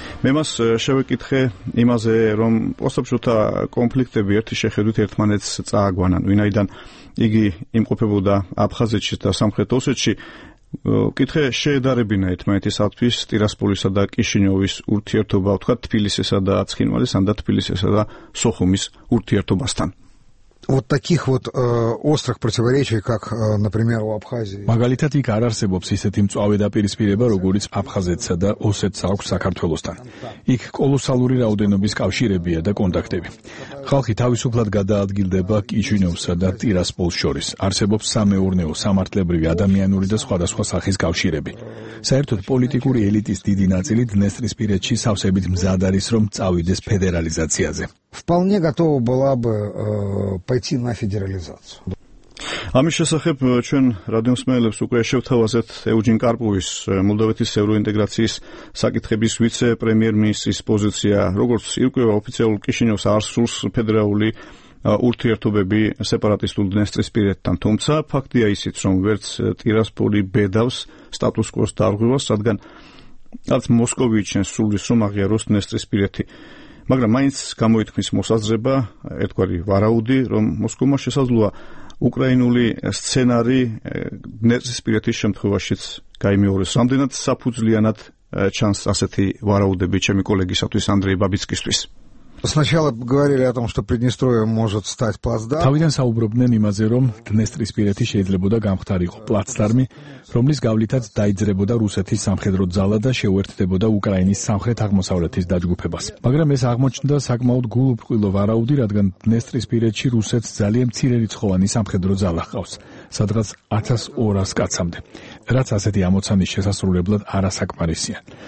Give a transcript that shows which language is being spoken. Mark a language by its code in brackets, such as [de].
[ka] მე მას შევეკითხე იმაზე, რომ პოსტსაბჭოთა კონფლიქტები ერთი შეხედვით ერთმანეთს წააგვანან, ვინაიდან იგი იმყოფებოდა აფხაზეთში და სამხრეთ ოსეთში. კითხე შეედარებინა ერთმანეთისათვის ტირასპოლისა და კიშინიოვის ურთიერთობა, ვთქვათ, თბილისისა და ცხინვალის, ან და თბილისისა და სოხუმის ურთიერთობასთან. [ru] Вот таких вот острых противоречий, как, например, у Абхазии. [ka] Магалитат იქ არ არსებობს ისეთი მწავე დაპირისპირება, როგორც აფხაზეთსა და ოსეთს აქვს საქართველოსთან. იქ კოლოსალური რაოდენობის კავშირებია და კონტაქტები. ხალხი თავისუფლად გადაადგილდება კიჩინოვსა და ტირასპოლს შორის. არსებობს სამეურნეო, სამართლებრივი, ადამიანური და სხვადასხვა სახის კავშირები. საერთოდ პოლიტიკური ელიტის დიდი ნაწილი დნესტრისპირეთში სავსებით მზად არის, რომ წავიდეს ფედერალიზაციაზე. [ru] Вполне готова была бы пойти на федерализацию. [ka] Ამის შესახებ ჩვენ რადიოსმენელებს უკვე შევთავაზეთ ევჯინ კარპოვის, მოლდოვეთის ევროინტეგრაციის საკითხების ვიცე-პრემიერ-მინისტრის პოზიცია. როგორც ირკვევა ოფიციალურ კიშინიოვს არ სურს ფედერალური ურთიერთობები სეპარატისტულ დნესტრისპირეთთან, თუმცა ფაქტია ისიც, რომ ვერც ტირასპოლი ბედავს სტატუს-კვოს დარღვევას, რადგან არც მოსკოვი იჩენს სურვილს, რომ აღიაროს დნესტრისპირეთი. მაგრამ მაინც გამოითქმის მოსაზრება, ერთგვარი ვარაუდი, რომ მოსკოვმა შესაძლოა უკრაინული სცენარი დნესტრისპირეთის შემთხვევაშიც გაიმეორეს. რამდენად საფუძვლიანად ჩანს ასეთი ვარაუდები ჩემი კოლეგისათვის, ანდრეი ბაბიცკისთვის? [ru] Сначала говорили о том, что Приднестровье может стать плацдармом. [ka] თავიდან საუბრობდნენ იმაზე, რომ დნესტრისპირეთი შეიძლება გამხდარიყო პლაცდარმი, რომლის გავლითაც დაიძრებოდა რუსეთის სამხედრო ძალა და შეუერთდებოდა უკრაინის სამხრეთ-აღმოსავლეთის დაჯგუფებას. მაგრამ ეს აღმოჩნდა საკმაოდ გულუბრყვილო ვარაუდი, რადგან დნესტრისპირეთში რუსეთს ძალიან მცირერიცხოვანი სამხედრო ძალა ჰყავს, სადღაც 1200 კაცამდე, რაც ასეთი ამოცანის შესასრულებლად არასაკმარისია.